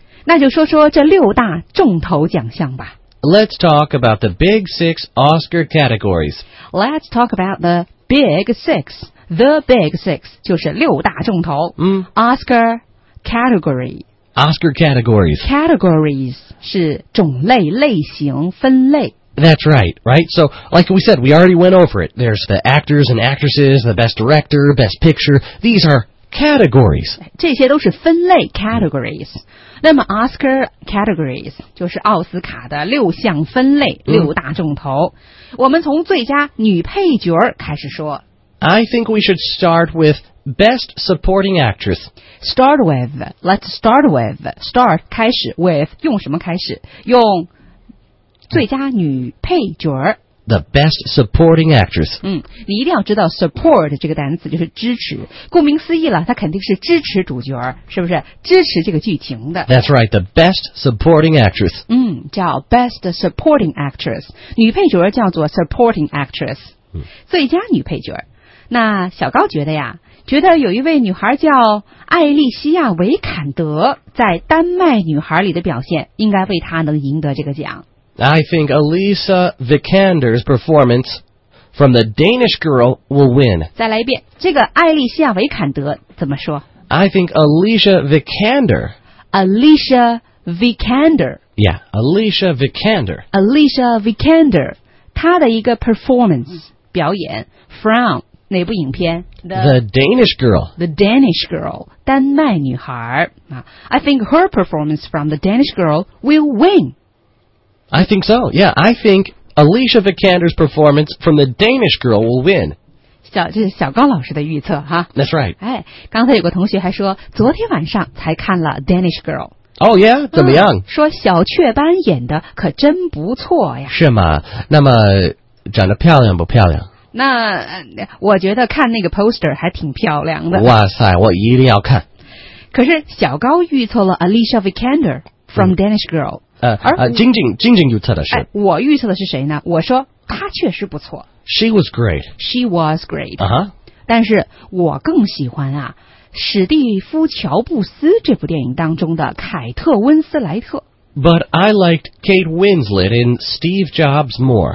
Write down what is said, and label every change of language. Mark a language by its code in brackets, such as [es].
[zh] 那就说说这六大重头奖项吧。 [en] Let's talk about the big six Oscar categories. Let's talk about the big six. The big six [zh] 就是六大重头。嗯。 [en] Oscar category. Oscar categories. [zh] Categories 是种类、类型、分类。 [en] That's right, right? So, like we said, we already went over it. There's the actors and actresses, the best director, best picture. These are categories. [zh] 这些都是分类 categories.、Mm. 那么 Oscar categories 就是奥斯卡的六项分类、mm. 六大重头。我们从最佳女配角开始说。 [en] I think we should start with best supporting actress. Start with. Let's start with. Start 开始 with [zh] 用什么开始？用最佳女配角。 [en] The best supporting actress. [zh] 嗯，你一定要知道 support 这个单词就是支持。顾名思义了，它肯定是支持主角，是不是？支持这个剧情的。 [en] That's right. The best supporting actress. [zh] 嗯，叫 best supporting actress. 女配角叫做 supporting actress.、嗯、最佳女配角。那小高觉得呀，觉得有一位女孩叫艾丽西亚·维坎德，在《丹麦女孩》里的表现，应该为她能赢得这个奖。 [en] I think Alicia Vikander's performance from The Danish Girl will win. [zh] 再来一遍，这个艾丽西亚·维坎德怎么说 [en] ？I think Alicia Vikander. Alicia Vikander. Yeah, Alicia Vikander. [zh] Alicia Vikander， 她的一个 performance 表演 from。哪部影片 [en] The Danish Girl. The Danish Girl. 丹麦女孩、I think her performance from The Danish Girl will win. I think so. Yeah, I think Alicia Vikander's performance from The Danish Girl will win. [zh] 这是小高老师的预测哈。 [en] That's right. [zh] 哎，刚才有个同学还说昨天晚上才看了 Danish Girl. [en] Oh yeah, [zh] 怎么样、说小雀斑演的可真不错呀。是吗？那么长得漂亮不漂亮？那我觉得看那个 poster 还挺漂亮的。哇塞，我一定要看。可是小高预测了 Alicia Vikander from、嗯、Danish Girl。晶晶预测的是、我预测的是谁呢？我说她确实不错。 [en] She was great. She was great. 啊、 [zh] 但是我更喜欢啊，史蒂夫·乔布斯这部电影当中的凯特·温斯莱特。 [en] But I liked Kate Winslet in Steve Jobs more.